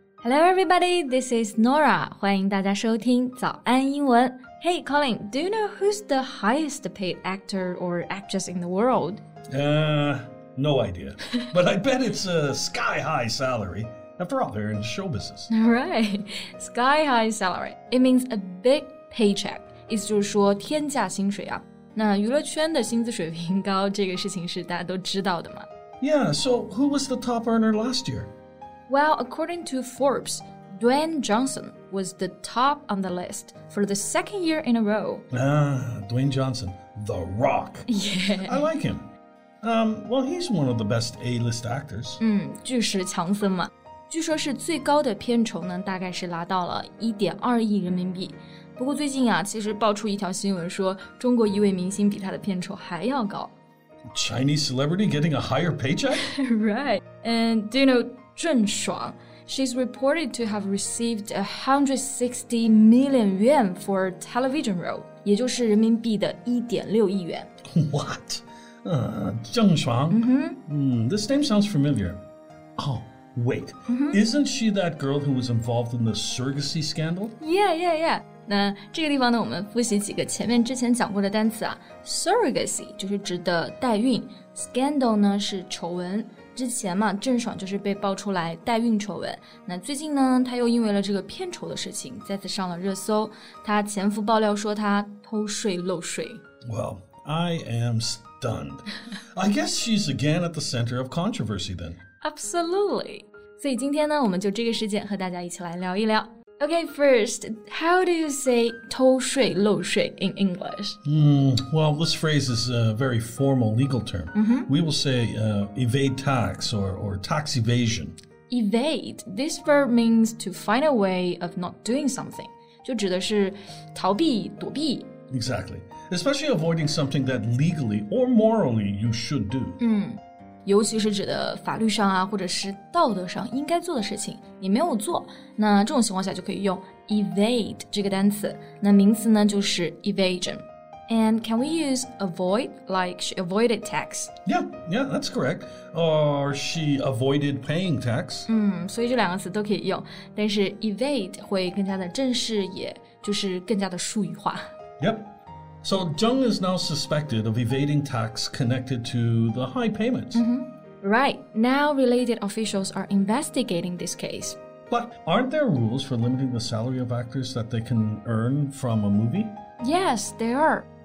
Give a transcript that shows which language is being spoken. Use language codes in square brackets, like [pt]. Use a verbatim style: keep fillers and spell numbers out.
[en] Hello everybody, this is Nora. [zh] 欢迎大家收听早安英文。 [en] Hey Colin, do you know who's the highest paid actor or actress in the world? Uh, no idea. But I bet it's a sky-high salary. After all, they're in show business. Right, sky-high salary. It means a big paycheck. [zh] 意思就是说天价薪水啊。那娱乐圈的薪资水平高，这个事情是大家都知道的嘛。 [en] Yeah, so who was the top earner last year? Well, according to Forbes, Dwayne Johnson was the top on the list for the second year in a row. Ah, Dwayne Johnson, The Rock. Yeah. I like him. Um, well, he's one of the best A-list actors. [zh] 嗯，巨石强森嘛。据说是最高的片酬呢，大概是拿到了 一点二亿人民币。不过最近啊，其实爆出一条新闻说，中国一位明星比他的片酬还要高。 [en] Chinese celebrity getting a higher paycheck? Right. And do you know Zheng Shuang? She's reported to have received one hundred sixty million yuan for a television role, [zh] 也就是人民币的 一点六亿元。 [en] What? Uh, Zheng Shuang? Mm-hmm. Mm, this name sounds familiar. Oh, wait. Mm-hmm. Isn't she that girl who was involved in the surrogacy scandal? Yeah, yeah, yeah. [zh] 那这个地方呢，我们复习几个前面之前讲过的单词啊。 Surrogacy 就是指的代孕 ，scandal 呢是丑闻。之前嘛，郑爽就是被爆出来代孕丑闻。那最近呢，她又因为了这个片酬的事情，再次上了热搜。她前夫爆料说她偷税漏税。 [en] Well, I am stunned. I guess she's again at the center of controversy then. Absolutely. [zh] 所以今天呢，我们就这个事件和大家一起来聊一聊。 [en] Okay, first, how do you say [zh] 偷税漏税 [en] in English? Mm, well, this phrase is a very formal legal term. Mm-hmm. We will say uh, evade tax or, or tax evasion. Evade, this verb means to find a way of not doing something. [zh] 就指的是逃避、躲避。 [en] Exactly. Especially avoiding something that legally or morally you should do. [zh] 嗯，尤其是指的法律上啊，或者是道德上应该做的事情，你没有做，那这种情况下就可以用 evade 这个单词。那名词呢就是 evasion。 [en] And can we use avoid like she avoided tax? Yeah, yeah, that's correct. Or she avoided paying tax. [zh] 嗯，所以这两个词都可以用，但是 evade 会更加的正式，也就是更加的术语化。 [en] Yep. So, Zheng is now suspected of evading tax connected to the high payments. Mm-hmm. Right. Now, related officials are investigating this case. But aren't there rules for limiting the salary of actors that they can earn from a movie? Yes, there are.